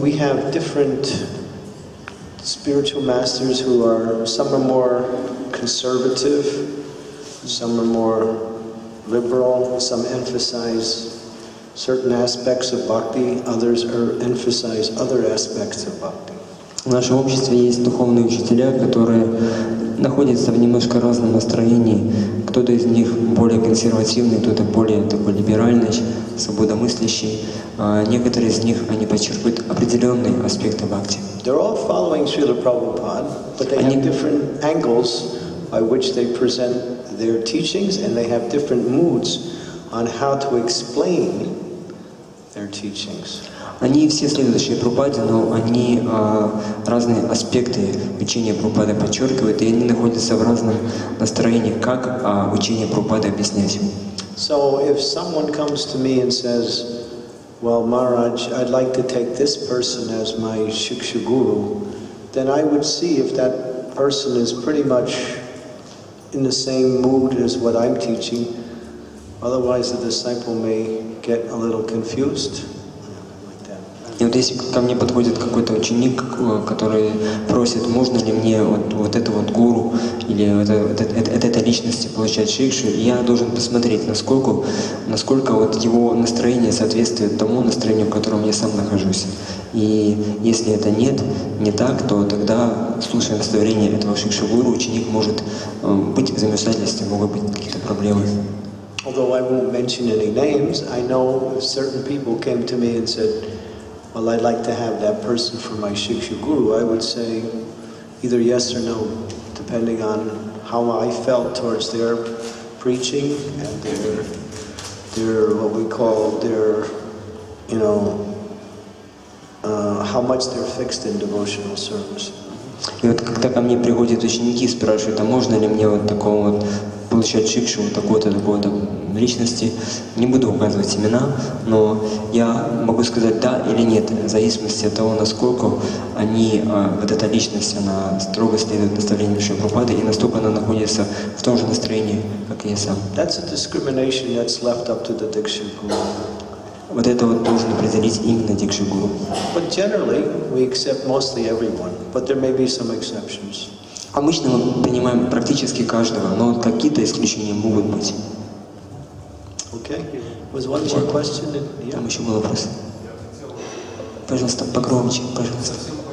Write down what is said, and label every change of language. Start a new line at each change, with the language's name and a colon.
English: We have different spiritual masters who are some are more conservative, some are more liberal, some emphasize certain aspects of bhakti, others are emphasize other aspects of bhakti.
Russian: В нашем обществе есть духовные учителя, которые находятся в немножко разном настроении. Кто-то из них более консервативный, кто-то более такой либеральный, свободомыслящий. Некоторые из них, они подчеркивают определенные аспекты бхакти.
English: They're all following Śrīla Prabhupāda, but they have different angles by which they present their teachings, and they have different moods on how to explain their teachings.
Russian: Они все следующие Прабхупаде, но они разные аспекты учения Прабхупады подчеркивают, и они находятся в разном настроении, как учение Прабхупады объяснять.
English: So if someone comes to me and says, well, Maharaj, I'd like to take this person as my Shiksha Guru, then I would see if that person is pretty much in the same mood as what I'm teaching. Otherwise, the disciple may get a little confused.
Russian: И вот если ко мне подходит какой-то ученик, который просит, можно ли мне вот это вот гуру или вот этой личности получать шикшу, я должен посмотреть, насколько вот его настроение соответствует тому настроению, в котором я сам нахожусь. И если это не так, то тогда, слушая наставление этого шикшу гуру, ученик может быть в замешательстве, могут быть какие-то проблемы.
English: Although I won't mention any names, I know certain people came to me and said, well, I'd like to have that person for my Shiksha Guru. I would say either yes or no, depending on how I felt towards their preaching and their what we call their, you know, how much they're fixed in devotional service.
Russian: И вот когда ко мне приходят ученики, спрашивают, а можно ли мне вот такого вот получать шикшу вот такого-то личности, не буду указывать имена, но я могу сказать да или нет, в зависимости от того, насколько они, вот эта личность, она строго следует наставлениям Шри Прабхупады и настолько она находится в том же настроении, как и я сам.
English: That's a discrimination that's left up to the Diksha Guru.
Russian: Вот это вот должен определить именно Дикши Гуру.
English: But generally, we accept mostly everyone, but there may be some exceptions.
Russian: Обычно мы принимаем практически каждого, но какие-то исключения могут быть.
English: Okay. Was one more question? Yeah.
Russian: Там еще был вопрос. Пожалуйста, погромче, пожалуйста.